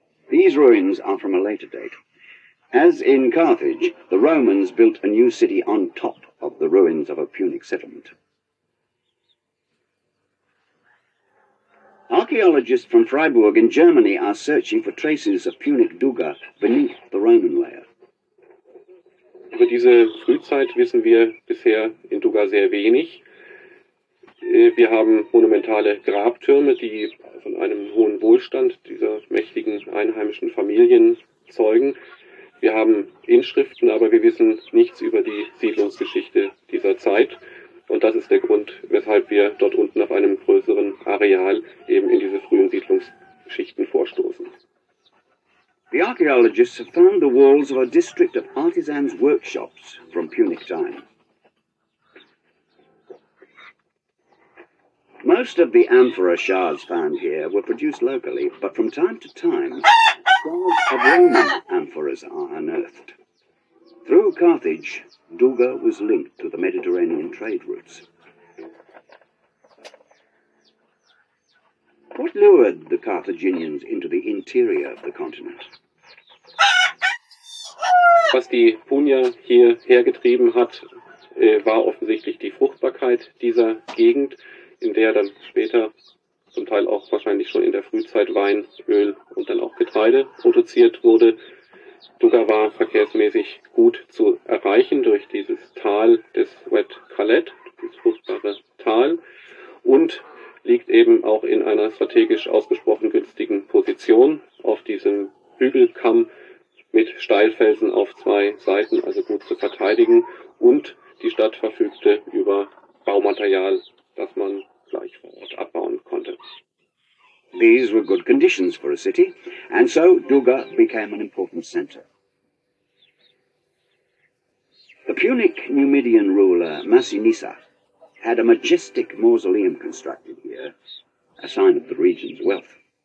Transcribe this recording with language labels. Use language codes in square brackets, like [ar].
[en] These ruins are from a later date. As in Carthage, the Romans built a new city on top of the ruins of a Punic settlement. Archaeologists from Freiburg in Germany are searching for traces of Punic Duga beneath the Roman layer. [de] Über diese Frühzeit wissen wir bisher in Duga sehr wenig. Wir haben monumentale Grabtürme, die von einem hohen Wohlstand dieser mächtigen einheimischen Familien zeugen. Wir haben Inschriften, aber wir wissen nichts über die Siedlungsgeschichte dieser Zeit. Und das ist der Grund, weshalb wir dort unten auf einem größeren Areal eben in diese frühen Siedlungsschichten vorstoßen. [en] The archaeologists have found the walls of a district of artisans' workshops from Punic time. Most of the amphora shards found here were produced locally, but from time to time, shards of Roman amphoras are unearthed. Through Carthage, Duga was linked to the Mediterranean trade routes. What lured the Carthaginians into the interior of the continent? [de] Was die Punier hier hergetrieben hat, war offensichtlich die Fruchtbarkeit dieser Gegend, in der dann später, zum Teil auch wahrscheinlich schon in der Frühzeit, Wein, Öl und dann auch Getreide produziert wurde. Duga war verkehrsmäßig gut zu erreichen durch dieses Tal des Wet Khaled, dieses fruchtbare Tal, und liegt eben auch in einer strategisch ausgesprochen günstigen Position auf diesem Hügelkamm mit Steilfelsen auf zwei Seiten, also gut zu verteidigen. Und die Stadt verfügte über Baumaterial, das man gleich vor Ort abbauen konnte. [en] These were good conditions for a city, and so Duga became an important center. The Punic Numidian ruler Massinissa had a majestic mausoleum constructed here, a sign of the region's wealth.